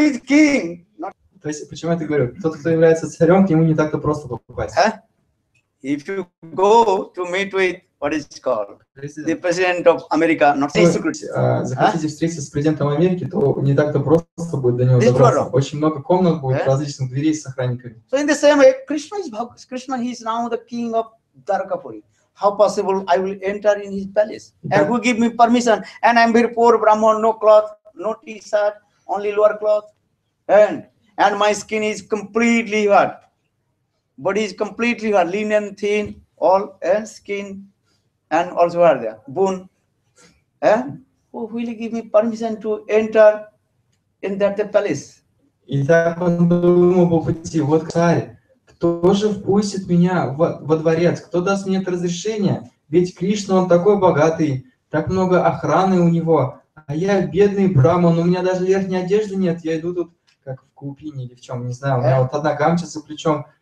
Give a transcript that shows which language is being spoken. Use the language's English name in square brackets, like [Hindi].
[Russian] То есть, почему я это говорю? Тот, кто является царем, к нему не так-то просто попасть. [English] If you go to meet with what is called the president of America, not a secret. [Russian] Захотите встретиться с президентом Америки, то не так-то просто будет до него добраться. Очень много комнат будет в различных дверей с охранниками. [English] So in the same way, Krishna he is now the king of Dwarkapuri. How possible I will enter in his palace? And who give me permission? And I'm very poor Brahman, no cloth, no t-shirt, only lower cloth. And my skin is completely what? Body is completely lean and thin, all and skin and also are there, bone. Who will give me permission to enter in that palace? [Russian] И так он думал по пути, вот царь, кто же впустит меня во дворец, кто даст мне это разрешение? Ведь Кришна, он такой богатый, так много охраны у него, а я бедный брахман, у меня даже верхней одежды нет, я иду тут как в купине или в чем, не знаю, у меня вот одна гамча за плечом.